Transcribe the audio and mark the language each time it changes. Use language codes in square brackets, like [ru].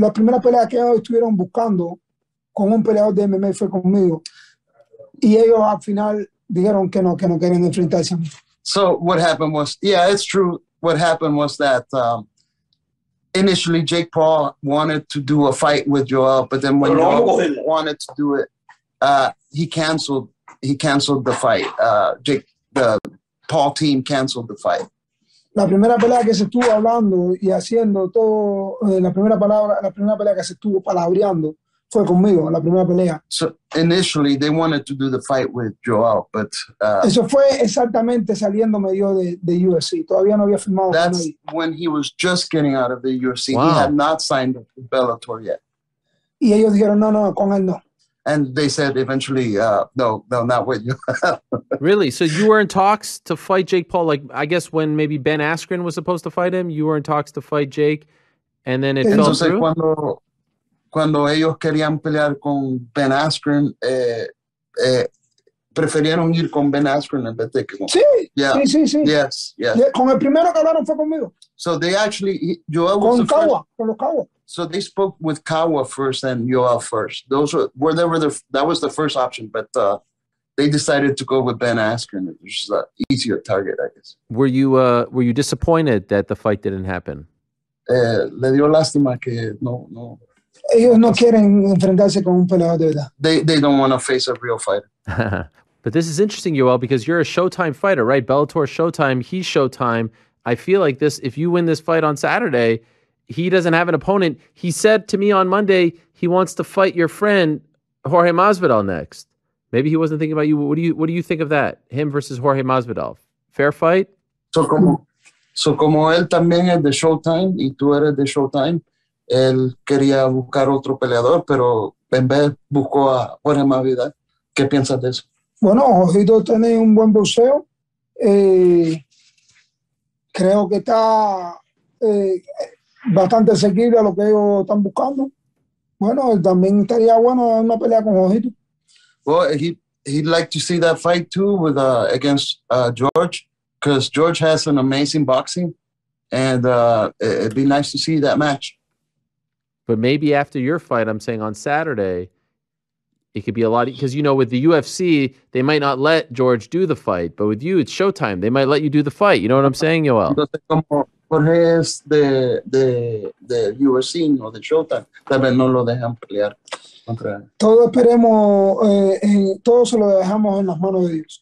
[es] la primera pelea que ellos estuvieron buscando con un peleador de MMA fue conmigo. Y ellos al final dijeron que no querían enfrentarse. [en] So what happened was, yeah, it's true. What happened was that initially Jake Paul wanted to do a fight with Yoel, but then when Yoel wanted to do it, he canceled the fight. The Paul team canceled the fight. [es] La primera pelea que se estuvo hablando y haciendo todo, la primera pelea que se estuvo palabreando fue conmigo, la primera pelea. [en] So initially they wanted to do the fight with Yoel, but [es] eso fue exactamente saliendo medio de UFC. Todavía no había firmado con nadie. [en] That's when he was just getting out of the UFC. Wow. He had not signed up for Bellator yet. [es] Y ellos dijeron no, con él no. [en] And they said eventually, no, not with you. Really? So you were in talks to fight Jake Paul, like I guess when maybe Ben Askren was supposed to fight him, you were in talks to fight Jake, and then it [es] entonces, [en] fell through. [es] Cuando ellos querían pelear con Ben Askren, preferieron ir con Ben Askren en vez de que con. Sí. [en] Yeah. [es] Sí. [en] Yes. Yes. [es] Con el primero que hablaron fue conmigo. [en] So they actually, Yoel [es] con [en] was the Kawa, first. [es] Con los Kawa. [en] So they spoke with Kawa first and Yoel first. Those were that was the first option, but they decided to go with Ben Askren, which is an easier target, I guess. Were you disappointed that the fight didn't happen? [es] Le dio lástima que no. Ellos no quieren enfrentarse con un peleador de verdad. [en] They don't want to face a real fighter. But this is interesting, Yoel, because you're a Showtime fighter, right? Bellator Showtime, he's Showtime. I feel like this, if you win this fight on Saturday, he doesn't have an opponent. He said to me on Monday he wants to fight your friend Jorge Masvidal next. Maybe he wasn't thinking about you. What do you think of that? Him versus Jorge Masvidal. Fair fight? So [es] como él también es de Showtime y tú eres de Showtime, él quería buscar otro peleador, pero en vez buscó a Jorge Masvidal. ¿Qué piensas de eso? Bueno, Jorgito tiene un buen boxeo. Creo que está bastante seguido a lo que ellos están buscando. Bueno, él también estaría bueno en una pelea con Jorgito. [en] Well, he'd like to see that fight too with against George, because George has an amazing boxing, and it'd be nice to see that match. But maybe after your fight, I'm saying on Saturday, it could be a lot. Because, you know, with the UFC, they might not let George do the fight. But with you, it's Showtime. They might let you do the fight. You know what I'm saying, Yoel? [es] Entonces, como Jorge es de UFC, no de Showtime, tal vez no lo dejan pelear. Todos esperemos, todos se lo dejamos en las manos de Dios.